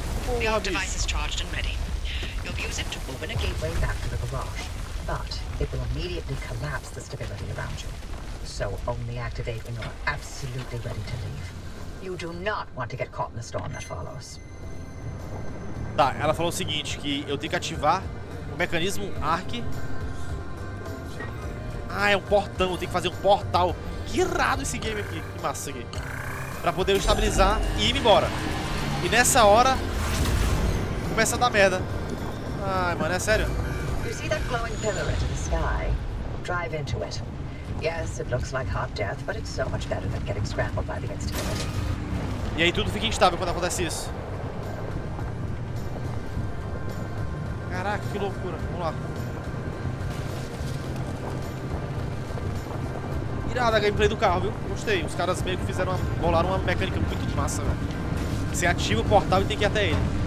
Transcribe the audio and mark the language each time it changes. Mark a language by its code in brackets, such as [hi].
[en] The device is charged and ready. You'll use it to open a gateway back to the garage, but it will immediately collapse the stability around you. So only activate when you're absolutely ready to leave. You do not want to get caught in the storm that follows. [pt] Tá, ela falou o seguinte, que eu tenho que ativar o mecanismo ARC. Ah, é um portão, eu tenho que fazer um portal. Que errado esse game aqui, que massa aqui. Pra poder estabilizar e ir embora. E nessa hora, começa a dar merda. Ai, mano, é sério? [en] You see that glowing pillar in the sky? Drive into it. Yes, it looks like hard death, but it's so much better than getting scrambled by the instability. [pt] E aí tudo fica instável quando acontece isso. Caraca, que loucura. Vamos lá. Irada a gameplay do carro, viu? Gostei. Os caras meio que fizeram rolar uma mecânica muito massa, velho. Você ativa o portal e tem que ir até ele.